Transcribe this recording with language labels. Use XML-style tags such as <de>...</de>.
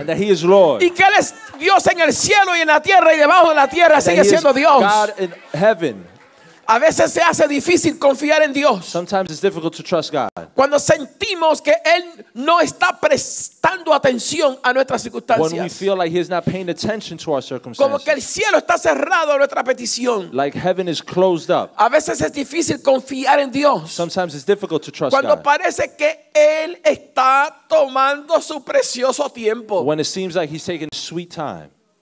<en>And that he is Lord.</en> <es>Y que él es Dios en el cielo y en la tierra y debajo de la tierra</es> <en>and</en> <es>sigue siendo Dios.</es> <en>God in heaven.</en> <es>A veces se hace difícil confiar en Dios.</es> <en>Sometimes it's difficult to trust God.</en> <es>Cuando sentimos que él no está prestando atención a nuestras circunstancias.</es> <en>When we feel like he's not paying attention to our circumstances.</en> <es>Como que el cielo está cerrado a nuestra petición.</es> <en>Like heaven is closed up.</en> <es>A veces es difícil confiar en Dios.</es> <en>Sometimes it's difficult to trust</en> <es>cuando</es> <en>God.</en> <es>Parece que él está tomando su precioso tiempo.</es> <en>When it seems like he's taking his sweet time.</en>